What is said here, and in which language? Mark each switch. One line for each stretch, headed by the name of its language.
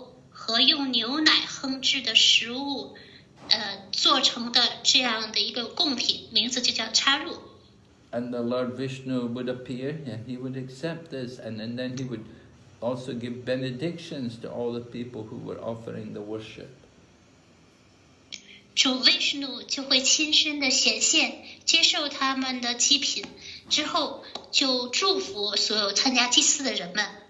Chinese: 圣哲们呢，他们所准备的是一种名字叫charu的祭品，是由大米、豆汤、黄油和用牛奶烹制的食物。做成的这样的一个贡品，名字就叫Charu。
English: And the Lord Vishnu would appear, and he would accept this, and then he would also give benedictions to all the people who were offering the worship.
Chinese: 主 Vishnu 就会亲身的显现，接受他们的祭品，之后就祝福所有参加祭祀的人们。